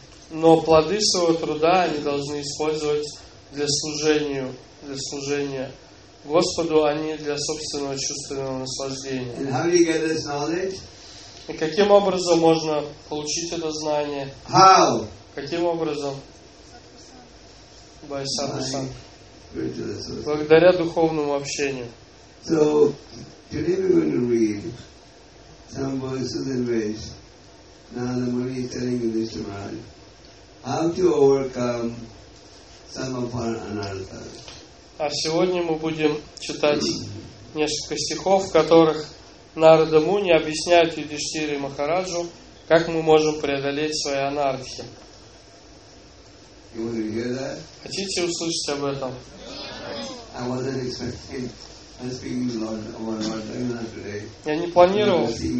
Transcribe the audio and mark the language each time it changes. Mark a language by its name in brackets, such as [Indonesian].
[Russian] Но плоды своего труда они должны использовать для служения Господу, а не для собственного чувственного наслаждения. [English] And how do you get this knowledge? [Russian] И каким образом можно получить это знание? [English] How? [Russian] Каким образом? Байсадху-сан. Благодаря духовному общению. [English] So, today we're going to read some verses and ways Narada Muni is telling Yudhishthira Maharaj how to overcome some of our anarthas. [Russian] А сегодня мы будем читать несколько стихов, в которых Нарада Муни объясняет Юдиштире Махараджу, как мы можем преодолеть свои анархи. Хотите услышать об этом? Я не планировал.